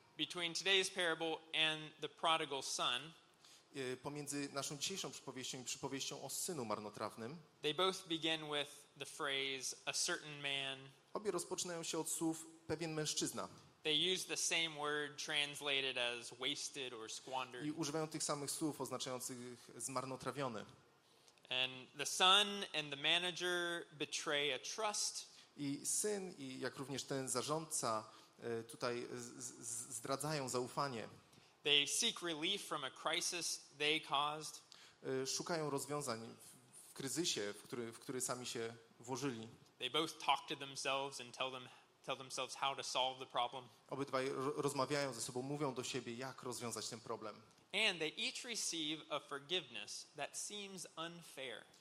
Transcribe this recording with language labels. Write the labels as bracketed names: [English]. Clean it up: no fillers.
[English] between today's parable and the prodigal son. [Polish] Pomiędzy naszą dzisiejszą przypowieścią i przypowieścią o synu marnotrawnym. [English] They both begin with the phrase a certain man. [Polish] Obie rozpoczynają się od słów pewien mężczyzna. [English] They use the same word translated as wasted or squandered. [Polish] I używają tych samych słów oznaczających zmarnotrawiony. [English] And the son and the manager betray a trust. [Polish] I syn i jak również ten zarządca tutaj zdradzają zaufanie. [English] They seek relief from a crisis they caused. [Polish] Szukają rozwiązań w kryzysie, w który sami się włożyli. [English] They both talk to themselves and tell themselves how to solve the problem. [Polish] Obydwaj rozmawiają ze sobą, mówią do siebie, jak rozwiązać ten problem. [English] And they each receive a forgiveness that seems unfair.